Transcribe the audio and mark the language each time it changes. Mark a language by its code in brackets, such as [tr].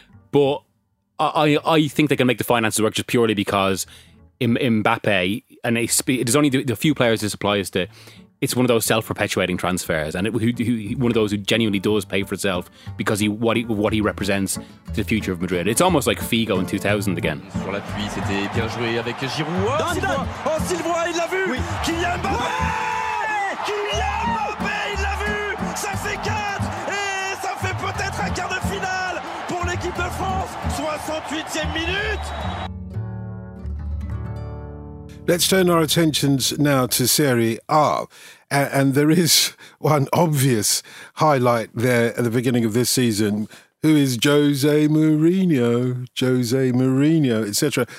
[en] But I think they can make the finances work just purely because Mbappe, and it is only the few players this applies to, it's one of those self-perpetuating transfers, and one of those who genuinely does pay for itself because what he represents to the future of Madrid. It's almost like Figo in 2000 again. [fr] Sur l'appui, c'était bien joué avec Giroud. Oh, Sylvain, il l'a vu. Oui. Kylian Mbappé. Oui. Kylian Mbappé, il l'a vu. Ça fait 4 et ça fait peut-être un quart de finale pour l'équipe de France. 68e minute. [en] Let's turn our attentions now to Serie A. And there is one obvious highlight there at the beginning of this season, who is Jose Mourinho, etc.